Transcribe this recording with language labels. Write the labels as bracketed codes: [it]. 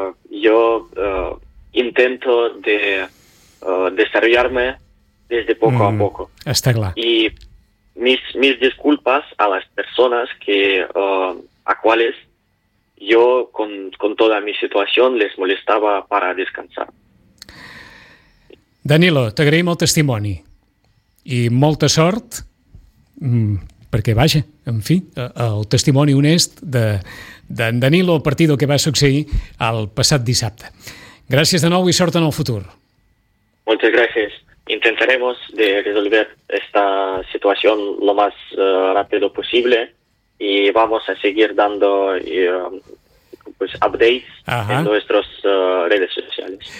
[es] Yo intento de desarrollarme desde poco a poco. Está claro. Y mis disculpas a las personas que a cuales yo con toda mi situación les molestaba para descansar. [ca] Danilo, t'agraïm el testimoni i molta sort, perquè vaja, en fi, el testimoni honest d'en Danilo a partir del que va succeir el passat dissabte. Gràcies de nou i sort en el futur. Moltes gràcies. [es] Intentaremos de resolver esta situación lo más rápido posible y vamos a seguir dando pues updates en nuestras redes sociales.